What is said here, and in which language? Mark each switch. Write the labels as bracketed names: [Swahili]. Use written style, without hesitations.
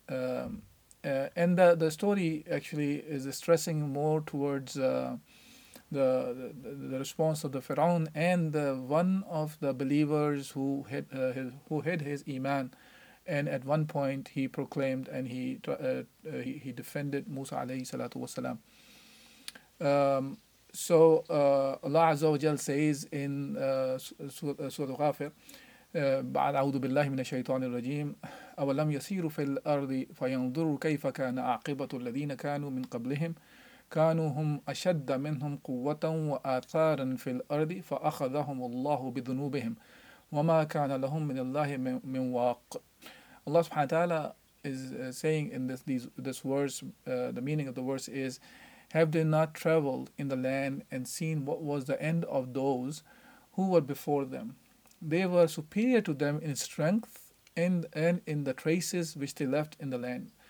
[English] And the story actually is stressing more towards the response of the Fir'aun and one of the believers who hid his iman, and at one point he proclaimed and he defended Musa alayhi salatu wasalam. Allah Azza wa Jal says in Surah Al-Ghafir, [Arabic] بعد أعوذ بالله من الشيطان الرجيم أولم يسيروا في الأرض فينظروا كيف كان عاقبة الذين كانوا من قبلهم كانوا هم أشد منهم قوة وآثارا في الأرض فأخذهم الله بذنوبهم وما كان لهم من الله من واق. [English] Allah subhanahu wa ta'ala is saying in this verse, the meaning of the verse is, have they not traveled in the land and seen what was the end of those who were before them? They were superior to them in strength and in the traces which they left in the land.